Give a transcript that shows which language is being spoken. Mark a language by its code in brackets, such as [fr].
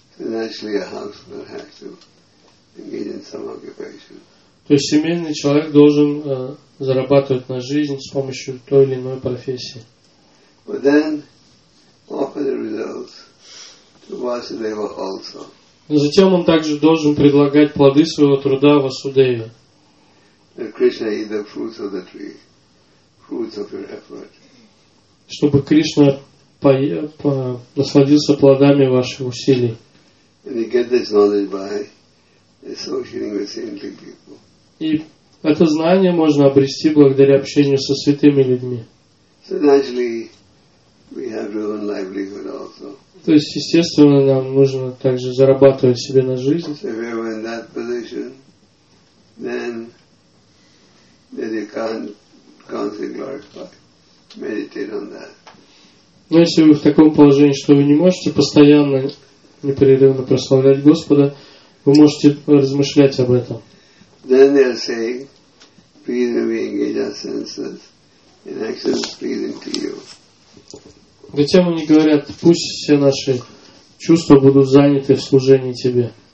[ru] То есть семейный человек должен зарабатывать на жизнь с помощью той или иной профессии. [en] But then offer the results to Vasudeva also. [ru] Но затем он также должен предлагать плоды своего труда Васудеве. [en] And Krishna eat the fruits of the tree, fruits of your effort. [ru] Чтобы Кришна насладился плодами ваших усилий. [en] And you get this knowledge by associating with saintly people. [ru] И это знание можно обрести благодаря общению со святыми людьми. [en] So naturally, we have our own livelihood also. [ru] То есть, естественно, нам нужно также зарабатывать себе на жизнь. [en] So if you are in that position, then you can't constantly glorify, meditate on that. [ru] Но если вы в таком положении, что вы не можете постоянно, непрерывно прославлять Господа, вы можете размышлять об этом. [en] Then they are saying, please we engage our senses in actions pleasing to you. [ru] Затем они говорят, пусть все наши чувства будут заняты в служении Тебе.